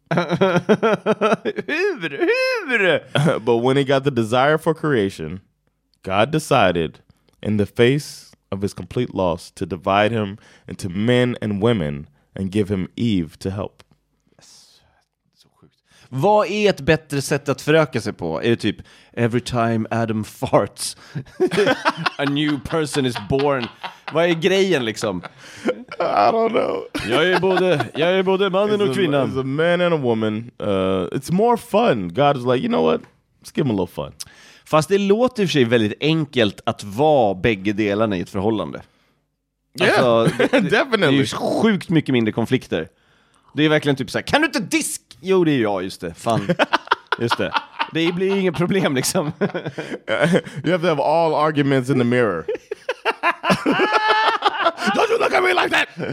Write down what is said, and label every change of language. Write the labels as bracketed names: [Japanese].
[English] But when he got the desire for creation, God decided, in the face of his complete loss, to divide him into men and women and give him Eve to help. [Swedish] Yes. So sjukt. Vad är ett bättre sätt att föröka sig på? Är det typ, [English] every time Adam farts, a new person is born? [Swedish] Vad är grejen liksom? [English] I don't know. [Swedish] Jag är både mannen och kvinnan. [English] It's a man and a woman. It's more fun. God is like, you know what? Let's give him a little fun. [Swedish] Fast det låter i och för sig väldigt enkelt att vara bägge delarna i ett förhållande. [English] Yeah, alltså, definitely. [Swedish] Det är ju sjukt mycket mindre konflikter. Det är verkligen typ så här, kan du inte disk? Jo, det är jag, just det. Fan. Just det. Det blir inget problem liksom. [English] You have to have all arguments in the mirror. Don't you look at me like that.